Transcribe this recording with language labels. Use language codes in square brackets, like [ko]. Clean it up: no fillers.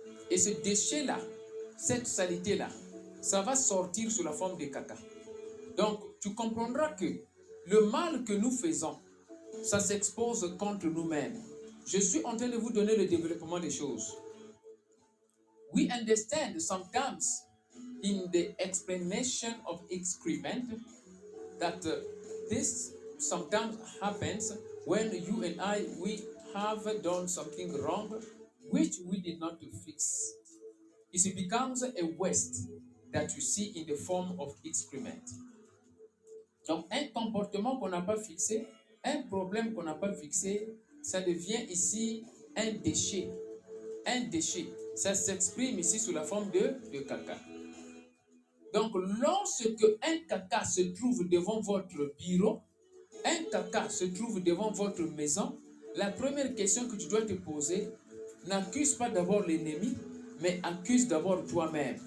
[fr] Et ce déchet-là, cette saleté-là, ça va sortir sous la forme de caca. Donc, tu comprendras que le mal que nous faisons, ça s'expose contre nous-mêmes. Je suis en train de vous donner le développement des choses. [en] We understand sometimes in the explanation of excrement that this sometimes happens when you and I, we have done something wrong, which we did not fix. It becomes a waste that you see in the form of excrement. [fr] Donc, un comportement qu'on n'a pas fixé, un problème qu'on n'a pas fixé, ça devient ici un déchet. Un déchet. Ça s'exprime ici sous la forme de caca. Donc, lorsque un caca se trouve devant votre bureau, un caca se trouve devant votre maison, la première question que tu dois te poser, n'accuse pas d'abord l'ennemi, mais accuse d'abord toi-même.